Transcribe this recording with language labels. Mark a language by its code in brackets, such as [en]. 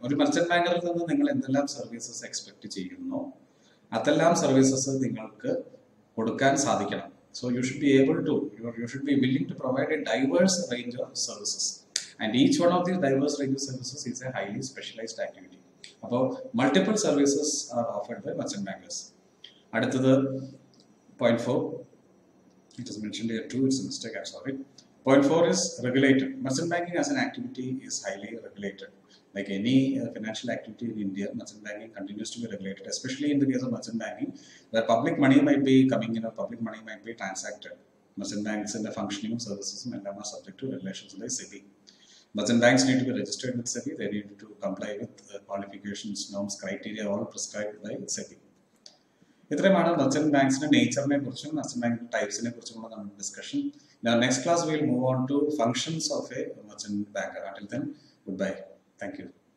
[ml] ഒരു മെർച്ചന്റ് ബാങ്കറിൽ നിന്ന് നിങ്ങൾ എന്തെല്ലാം സർവീസസ് എക്സ്പെക്ട് ചെയ്യുന്നു, അതെല്ലാം സർവീസസ് നിങ്ങൾക്ക് കൊടുക്കാൻ സാധിക്കണം. [en] So you should be able to, you should be willing to provide a diverse range of services. And each one of these diverse range of services is a highly specialised activity. അപ്പോൾ multiple services are offered by merchant bankers. അടുത്തത് point four, It is mentioned here too. It's a mistake. I'm sorry. Point four is regulated. Merchant banking as an activity is highly regulated. Like any financial activity in India, merchant banking continues to be regulated, especially in the case of merchant banking, where public money might be coming in or public money might be transacted. Merchant banks and the functioning of services are subject to regulations by SEBI. Merchant banks need to be registered with SEBI. They need to comply with qualifications, norms, criteria, all prescribed by SEBI. [ml] ഇത്രയുമാണ് merchant ബാങ്ക്സിന്റെ നേച്ചറിനെ കുറിച്ചും merchant bank ടൈപ്സിനെ കുറിച്ചുമുള്ള നമ്മുടെ discussion. [en] Next class will move on to functions of a merchant banker. Until then good bye. Thank you.